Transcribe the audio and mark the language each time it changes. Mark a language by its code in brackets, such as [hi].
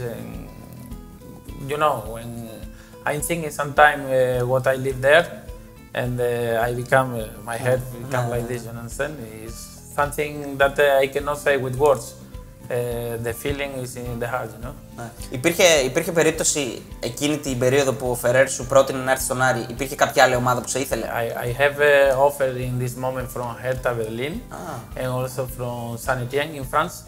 [en] And, you know, when I'm thinking sometime what I live there and I become, my head become ναι, like ναι. This, you understand? It's something that I cannot say with words. The feeling is in the heart, you know. [el] Υπήρχε περίπτωση εκείνη την περίοδο που ο Φερέρ σου πρότεινε να έρθει στον Άρη, υπήρχε κάποια άλλη ομάδα που σε ήθελε? [en] I have offered in this moment from Hertha Berlin and also from Saint-Étienne in France.